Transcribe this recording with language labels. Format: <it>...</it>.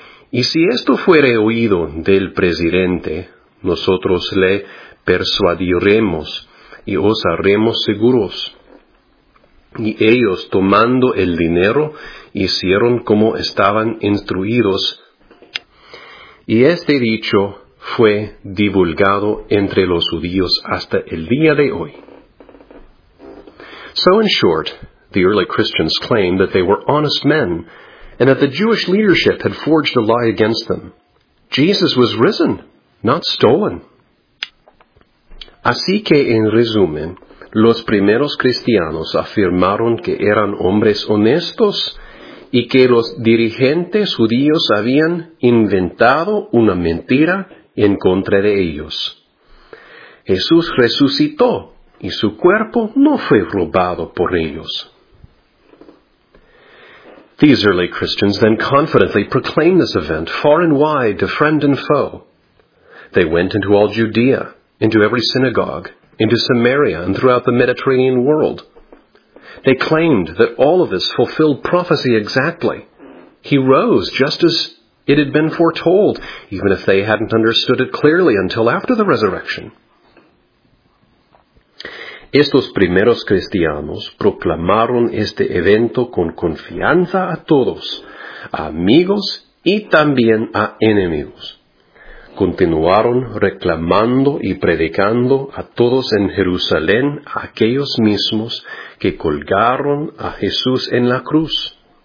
<es>Y si esto fuere oído del presidente, nosotros le persuadiremos y os haremos seguros. Y ellos, tomando el dinero, hicieron como estaban instruidos. Y este dicho fue divulgado entre los judíos hasta el día de hoy.</es> <en>So in short, the early Christians claimed that they were honest men and that the Jewish leadership had forged a lie against them. Jesus was risen, not stolen.</en> <es>Así que, en resumen, los primeros cristianos afirmaron que eran hombres honestos y que los dirigentes judíos habían inventado una mentira en contra de ellos. Jesús resucitó y su cuerpo no fue robado por ellos.</es> <en>These early Christians then confidently proclaimed this event far and wide to friend and foe. They went into all Judea, into every synagogue, into Samaria, and throughout the Mediterranean world. They claimed that all of this fulfilled prophecy exactly. He rose just as it had been foretold, even if they hadn't understood it clearly until after the resurrection.</en> <es>Estos primeros cristianos proclamaron este evento con confianza a todos, a amigos y también a enemigos. Continuaron reclamando y predicando a todos en Jerusalén a aquellos mismos que colgaron a Jesús en la cruz.</es>